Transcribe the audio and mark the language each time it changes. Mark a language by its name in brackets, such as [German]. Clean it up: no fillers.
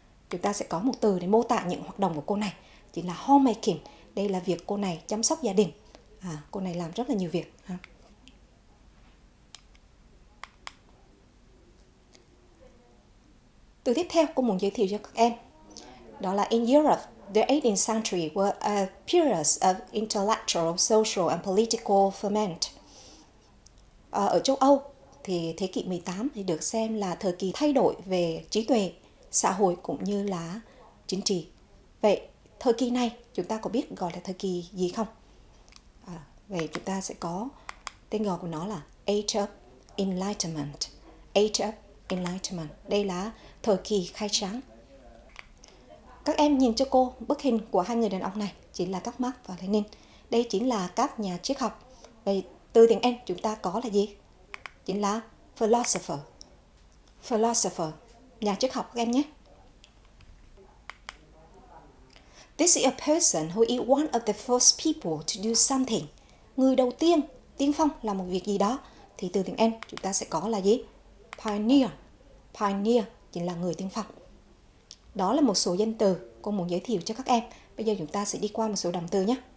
[Vietnamese] Chúng ta sẽ có một từ để mô tả những hoạt động của cô này. Chính là homemaking. Đây là việc cô này chăm sóc gia đình. Cô này làm rất là nhiều việc. Từ tiếp theo cô muốn giới thiệu cho các em. Đó là [English] in Europe, the 18th century were a period of intellectual, social and political ferment. [Vietnamese] Ở châu Âu thì thế kỷ 18 thì được xem là thời kỳ thay đổi về trí tuệ, xã hội cũng như là chính trị. Vậy thời kỳ này chúng ta có biết gọi là thời kỳ gì không? Vậy chúng ta sẽ có tên gọi của nó là Age of Enlightenment. Age of Enlightenment. Đây là thời kỳ khai sáng. Các em nhìn cho cô bức hình của hai người đàn ông này, chính là các Marx và Lenin. Đây chính là các nhà triết học. Vậy từ tiếng Anh chúng ta có là gì? Chính là philosopher. Philosopher, nhà triết học các em nhé. [English] This is a person who is one of the first people to do something. [Vietnamese] Người đầu tiên, tiên phong là một việc gì đó. Thì từ tiếng Anh chúng ta sẽ có là gì? Pioneer. Pioneer chính là người tiên phong. Đó là một số danh từ cô muốn giới thiệu cho các em. Bây giờ chúng ta sẽ đi qua một số động từ nhé.